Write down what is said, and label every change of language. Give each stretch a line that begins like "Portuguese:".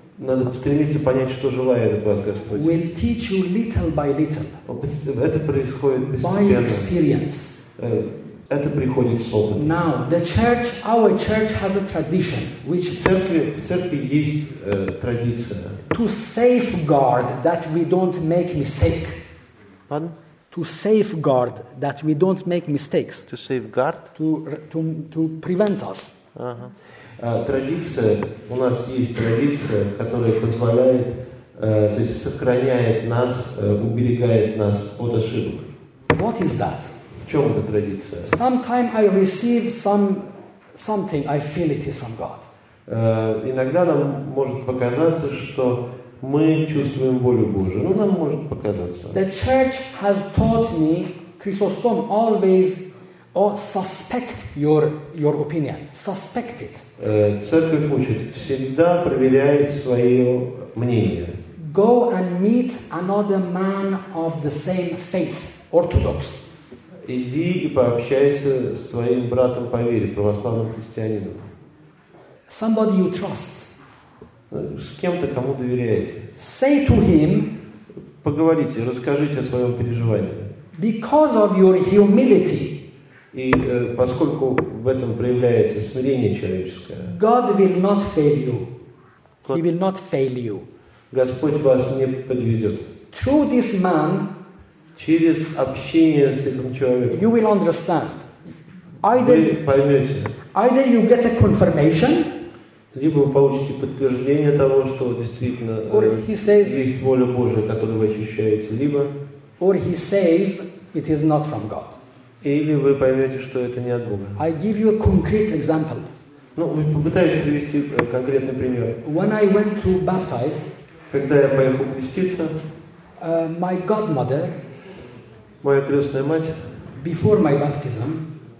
Russian: Надо стремиться понять, что желает от вас Господь.
English: Will teach you little by little.
Russian: Это происходит постепенно.
English: By experience.
Russian: Это приходит с опытом.
English: Now the church, our church has a tradition, which
Russian: в церкви есть традиция.
English: To safeguard that we don't make mistake. Pardon? To safeguard that we don't make mistakes. To safeguard? To prevent us.
Russian: Традиция, у нас есть традиция, которая позволяет, то есть сохраняет нас, уберегает нас от ошибок.
English: What is that?
Russian: В чем эта традиция?
English: Sometimes I receive something, I feel it is from God.
Russian: Иногда нам может показаться, что мы чувствуем волю Божию. Ну, нам может показаться.
English: The church has taught me, Chrysostom, always suspect your opinion. Suspect it.
Russian: Церковь учит, всегда проверяет свое мнение.
English: Go and meet another man of the same faith, Orthodox.
Russian: Иди и пообщайся с твоим братом по вере, православным христианином.
English: Somebody you trust.
Russian: С кем-то, кому доверяете.
English: Say to him.
Russian: Поговорите, расскажите о своем переживании.
English: Because of your humility.
Russian: И поскольку в этом проявляется смирение человеческое,
English: God will not fail you. He will not fail you.
Russian: Господь вас не подведет.
English: Through this man,
Russian: через общение с этим человеком,
English: you will understand. Either,
Russian: вы поймете.
English: Either you get a confirmation,
Russian: либо вы получите подтверждение того, что действительно есть воля Божия, которую вы ощущаете, либо
English: or he says it is not from God.
Russian: Или вы поймете, что это не от Бога.
English: I give you a concrete example.
Russian: Ну, вы попытаетесь привести конкретный пример.
English: When I went to baptize,
Russian: когда я поехал креститься,
English: my godmother,
Russian: моя крестная мать,
English: before my baptism,